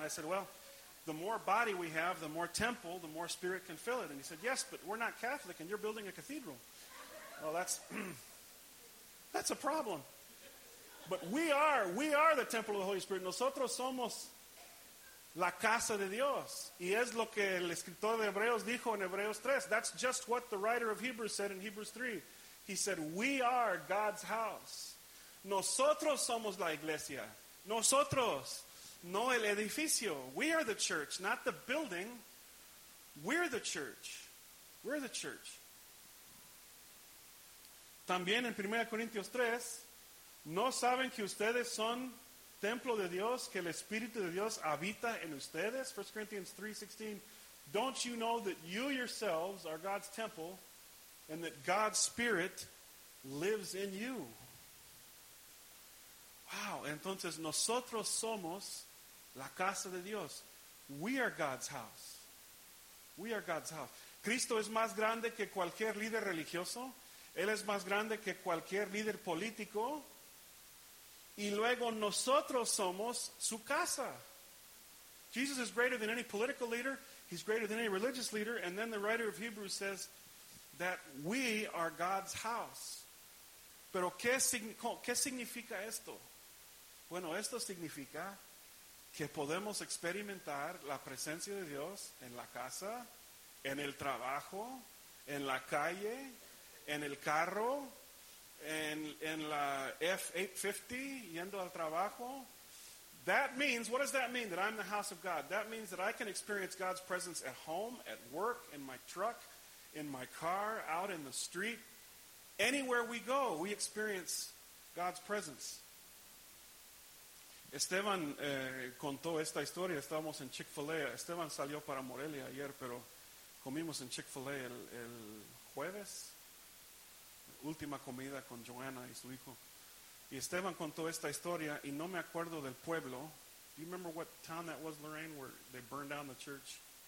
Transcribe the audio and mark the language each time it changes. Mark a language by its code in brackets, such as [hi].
[en] And I said, well, the more body we have, the more temple, the more spirit can fill it. And he said, yes, but we're not Catholic and you're building a cathedral. Well, that's that's a problem. But we are the temple of the Holy Spirit. [es] Nosotros somos la casa de Dios. Y es lo que el escritor de Hebreos dijo en Hebreos 3. [en] That's just what the writer of Hebrews said in Hebrews 3. He said, we are God's house. [es] Nosotros somos la iglesia. Nosotros, no el edificio. [en] We are the church, not the building. We're the church. We're the church. [es] También en 1 Corintios 3, ¿no saben que ustedes son templo de Dios, que el Espíritu de Dios habita en ustedes? [en] 1 Corinthians 3:16. Don't you know that you yourselves are God's temple and that God's Spirit lives in you? [es] Wow, entonces nosotros somos la casa de Dios. [en] We are God's house. We are God's house. [es] Cristo es más grande que cualquier líder religioso. Él es más grande que cualquier líder político. Y luego nosotros somos su casa. [en] Jesus is greater than any political leader. He's greater than any religious leader. And then the writer of Hebrews says that we are God's house. [es] Pero ¿qué significa esto? Bueno, esto significa que podemos experimentar la presencia de Dios en la casa, en el trabajo, en la calle, en el carro, en la F-850, yendo al trabajo. [en] That means, what does that mean, that I'm the house of God? That means that I can experience God's presence at home, at work, in my truck, in my car, out in the street. Anywhere we go, we experience God's presence. [es] Esteban contó esta historia. Estábamos en Chick-fil-A. Esteban salió para Morelia ayer, pero comimos en Chick-fil-A el jueves. Última comida con Joanna y su hijo. Y Esteban contó esta historia y no me acuerdo del pueblo. [en] Do you remember what town that was, Lorraine, where they burned down the church?